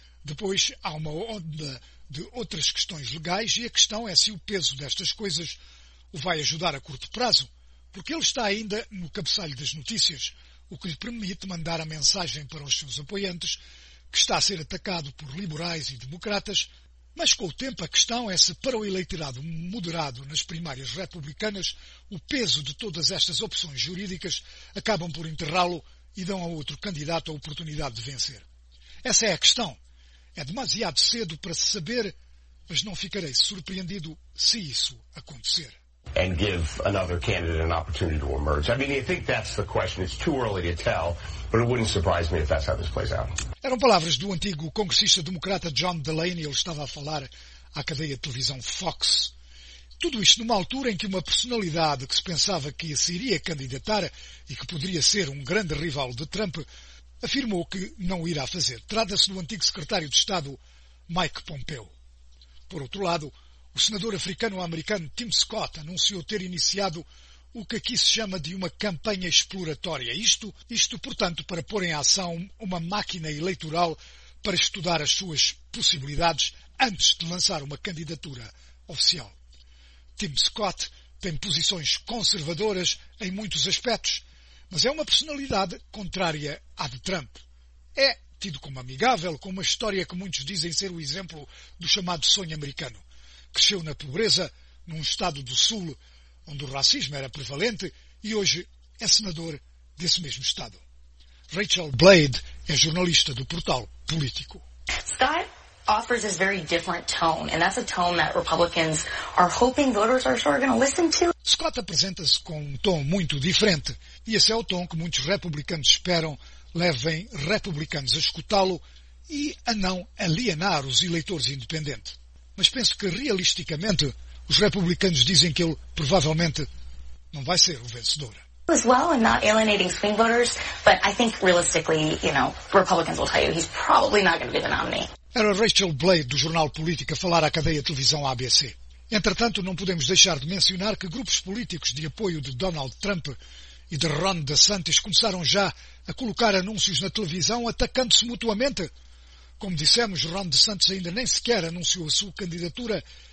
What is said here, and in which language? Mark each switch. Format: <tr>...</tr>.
<pt>Depois há uma onda de outras questões legais e a questão é se o peso destas coisas o vai ajudar a curto prazo, porque ele está ainda no cabeçalho das notícias, o que lhe permite mandar a mensagem para os seus apoiantes, que está a ser atacado por liberais e democratas, mas com o tempo a questão é se para o eleitorado moderado nas primárias republicanas o peso de todas estas opções jurídicas acabam por enterrá-lo e dão a outro candidato a oportunidade de vencer. Essa é a questão. É demasiado cedo para se saber, mas não ficarei surpreendido se isso acontecer.</pt> <en>And give another candidate an opportunity to emerge. I mean, I think that's the question. It's too early to tell, but it wouldn't surprise me if that's how this plays out.</en> <pt>Eram palavras do antigo congressista democrata John Delaney. Ele estava a falar à cadeia de televisão Fox. Tudo isto numa altura em que uma personalidade que se pensava que se iria candidatar e que poderia ser um grande rival de Trump afirmou que não o irá fazer. Trata-se do antigo secretário de Estado Mike Pompeo. Por outro lado, o senador africano-americano Tim Scott anunciou ter iniciado o que aqui se chama de uma campanha exploratória. Isto, portanto, para pôr em ação uma máquina eleitoral para estudar as suas possibilidades antes de lançar uma candidatura oficial. Tim Scott tem posições conservadoras em muitos aspectos, mas é uma personalidade contrária à de Trump. É tido como amigável, com uma história que muitos dizem ser o exemplo do chamado sonho americano. Cresceu na pobreza, num estado do sul, onde o racismo era prevalente, e hoje é senador desse mesmo estado. Rachel Blade é jornalista do portal Político.</pt> <en>Scott offers this very different tone, and that's a tone that Republicans are hoping voters are sort of going to listen to.</en> <pt>Scott apresenta-se com um tom muito diferente, e esse é o tom que muitos republicanos esperam levem republicanos a escutá-lo e a não alienar os eleitores independentes. Mas penso que, realisticamente, os republicanos dizem que ele provavelmente não vai ser o vencedor.</pt> <en>As well and not alienating swing voters, but I think realistically, you know, Republicans will tell you he's probably not going to be the nominee.</en> <pt>Era Rachel Blade, do jornal Política, falar à cadeia de televisão ABC. Entretanto, não podemos deixar de mencionar que grupos políticos de apoio de Donald Trump e de Ron DeSantis começaram já a colocar anúncios na televisão atacando-se mutuamente. Como dissemos, Ron DeSantis ainda nem sequer anunciou a sua candidatura.</pt>